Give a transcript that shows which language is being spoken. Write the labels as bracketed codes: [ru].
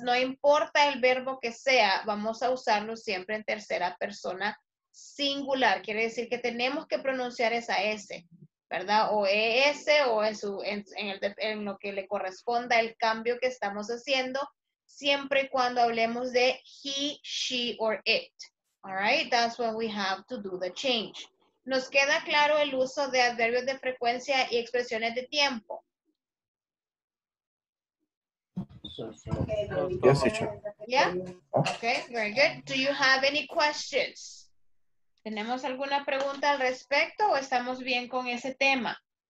[es] No importa el verbo que sea, vamos a usarlo siempre en tercera persona singular. Quiere decir que tenemos que pronunciar esa S, ¿verdad? O ES o en lo que le corresponda el cambio que estamos haciendo, siempre y cuando hablemos de [en] he, she, or it. All right, that's when we have to do the change. [es] ¿Nos queda claro el uso de adverbios de frecuencia y expresiones de tiempo? [en] Yes, teacher. Yeah? Oh. Okay, very good. Do you have any questions? [es] ¿Tenemos alguna pregunta al respecto o estamos bien con ese tema?